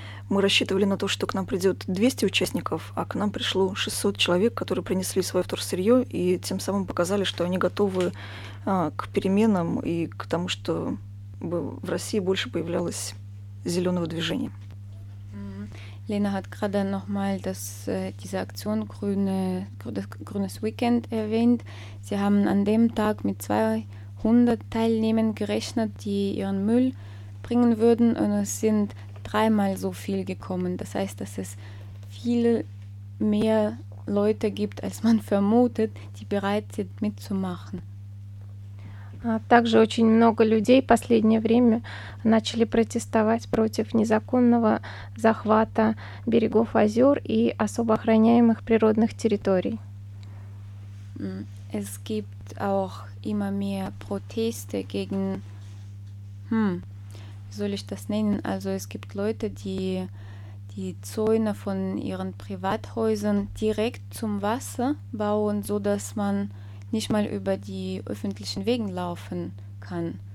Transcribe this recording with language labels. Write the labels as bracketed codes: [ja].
[ru] Мы рассчитывали на то, что к нам придет 200 участников, а к нам пришло 600 человек, которые принесли свое вторсырье и тем самым показали, что они готовы к переменам и к тому, чтобы в России больше появлялось зеленого движения. [de] Лена hat gerade nochmal diese Aktion Grünes Weekend erwähnt. Sie haben an dem Tag mit 200 Teilnehmern gerechnet, die ihren Müll bringen würden, und es sind dreimal so viel gekommen. Das heißt, dass es viel mehr Leute gibt, als man vermutet, die bereit sind, mitzumachen. [ru] Также очень много людей в последнее время начали протестовать против незаконного захвата берегов озер и особо охраняемых природных территорий. [de] Es gibt auch immer mehr Proteste gegen, wie soll ich das nennen? Also es gibt Leute, die die Zäune von ihren Privathäusern direkt zum Wasser bauen, sodass man nicht mal über die öffentlichen Wegen laufen kann.